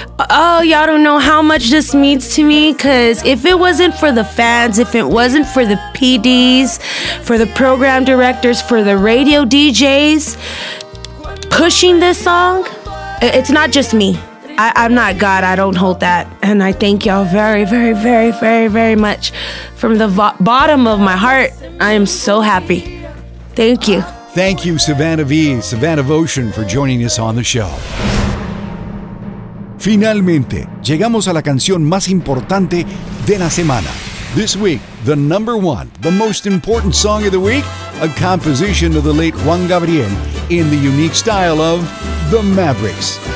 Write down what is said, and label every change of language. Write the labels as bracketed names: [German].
[English] Oh, y'all don't know how much this means to me, because if it wasn't for the fans, if it wasn't for the PDs, for the program directors, for the radio DJs pushing this song, it's not just me. I'm not God. I don't hold that. And I thank y'all very, very, very, very, very much from the bottom of my heart. I am so happy. Thank you. Thank you, Savannah Voshin, for joining us on the show. [Spanish] Finalmente, llegamos a la canción más importante de la semana. [English] This week, the number one, the most important song of the week, a composition of the late Juan Gabriel in the unique style of The Mavericks.